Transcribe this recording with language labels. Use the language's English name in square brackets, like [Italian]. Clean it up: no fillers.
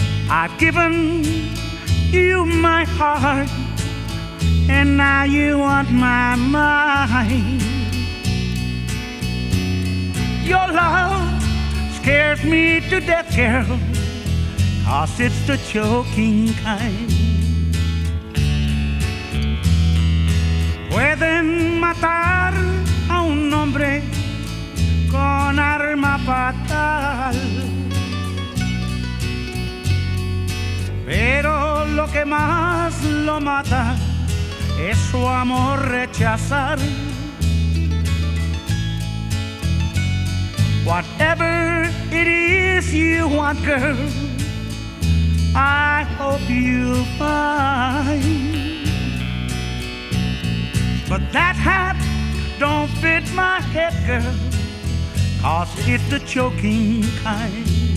[English] I've given you my heart, and now you want my mind. Your love scares me to death, Carol, 'cause it's the choking kind. [Spanish] Pueden matar a un hombre con arma fatal, pero lo que más lo mata es su amor rechazar. [English] Whatever it is you want, girl, I hope you'll find. But that hat don't fit my head, girl, 'cause it's the choking kind.